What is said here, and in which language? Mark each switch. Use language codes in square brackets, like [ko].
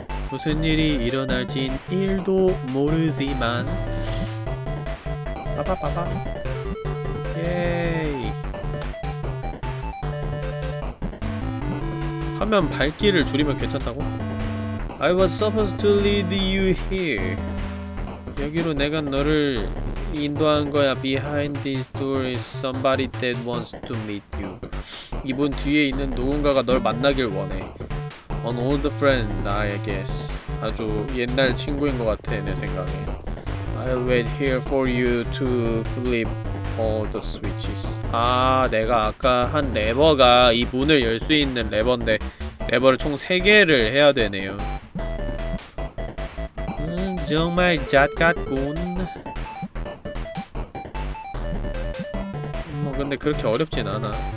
[ko] 무슨 일이 일어날진 1도 모르지만. 빠빠빠빠. 예이. 화면 밝기를 줄이면 괜찮다고? [en] I was supposed to lead you here. [ko] 여기로 내가 너를 인도한 거야. [en] Behind this door is somebody that wants to meet you. [ko] 이분 뒤에 있는 누군가가 널 만나길 원해. [en] An old friend, I guess. [ko] 아주 옛날 친구인 것 같아, 내 생각에. [en] I'll wait here for you to flip all the switches. [ko] 아, 내가 아까 한 레버가 이 문을 열 수 있는 레버인데 레버를 총 3개를 해야 되네요. 정말 잣 같군. 뭐 근데 그렇게 어렵진 않아.